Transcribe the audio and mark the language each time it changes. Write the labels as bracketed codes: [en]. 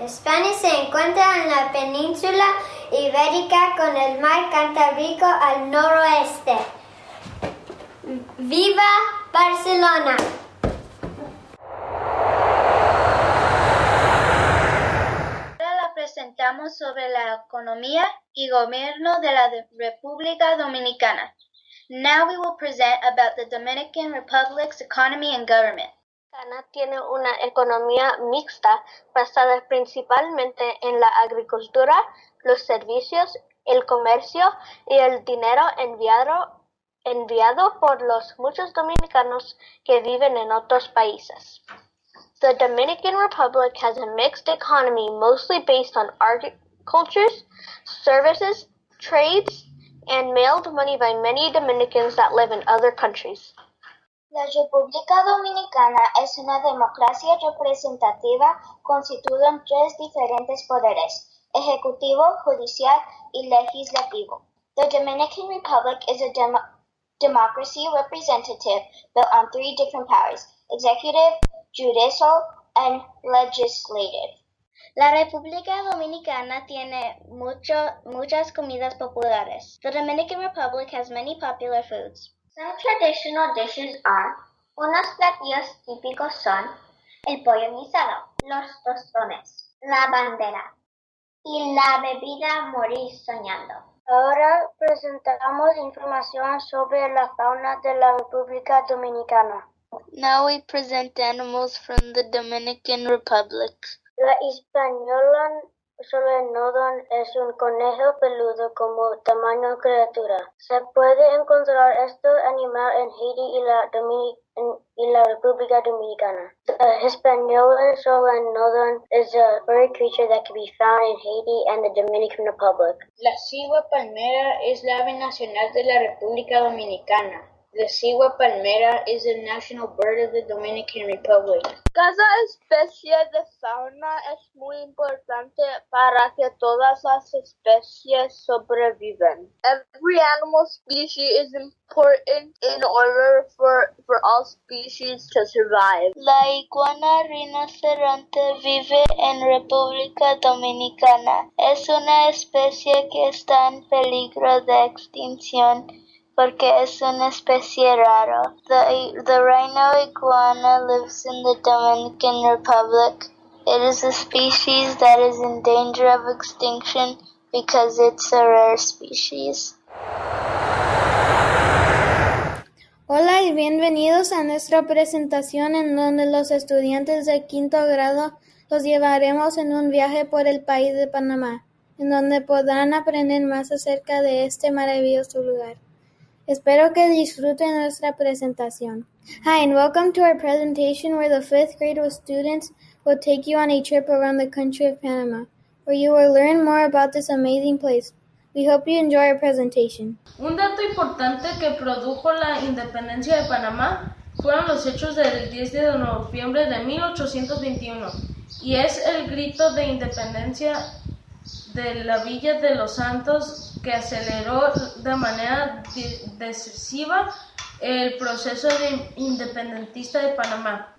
[es] España se encuentra en la península ibérica con el mar Cantábrico al noroeste. ¡Viva Barcelona! Ahora la presentamos sobre la economía y gobierno de la República Dominicana. [en] Now we will present about the Dominican Republic's economy and government. [es] Dominicana tiene una economía mixta basada principalmente en la agricultura, los servicios, el comercio y el dinero enviado por los muchos dominicanos que viven en otros países. [en] The Dominican Republic has a mixed economy mostly based on agriculture, services, trades, and mailed money by many Dominicans that live in other countries. [es] La República Dominicana es una democracia representativa constituida en tres diferentes poderes: ejecutivo, judicial y legislativo. [en] The Dominican Republic is a democracy representative built on three different powers: executive, judicial, and legislative. [es] La República Dominicana tiene muchas comidas populares. [en] The Dominican Republic has many popular foods. Some traditional dishes are, [es] unos platillos típicos son, el pollo guisado, los tostones, la bandera, y la bebida morir soñando. Ahora presentamos información sobre la fauna de la República Dominicana. [en] Now we present animals from the Dominican Republic. [es] La española solenodon es un conejo peludo como tamaño criatura. Se puede encontrar este animal en Haití y la República Dominicana. [en] The Hispaniola solenodon is a furry creature that can be found in Haiti and the Dominican Republic. [es] La cigua palmera es la ave nacional de la República Dominicana. [en] The cigua palmera is the national bird of the Dominican Republic. [es] Cada especie de fauna es muy importante para que todas las especies sobrevivan. [en] Every animal species is important in order for all species to survive. [es] La iguana rinoceronte vive en República Dominicana. Es una especie que está en peligro de extinción porque es una especie rara. [en] The rhino iguana lives in the Dominican Republic. It is a species that is in danger of extinction because it's a rare species. [es] Hola y bienvenidos a nuestra presentación en donde los estudiantes de quinto grado los llevaremos en un viaje por el país de Panamá, en donde podrán aprender más acerca de este maravilloso lugar. Espero que disfruten nuestra presentación. [en] Hi, and welcome to our presentation where the fifth grade students will take you on a trip around the country of Panama, where you will learn more about this amazing place. We hope you enjoy our presentation. [es] Un dato importante que produjo la independencia de Panamá fueron los hechos del 10 de noviembre de 1821 y es el grito de independencia de la Villa de los Santos que aceleró de manera decisiva el proceso de independentista de Panamá.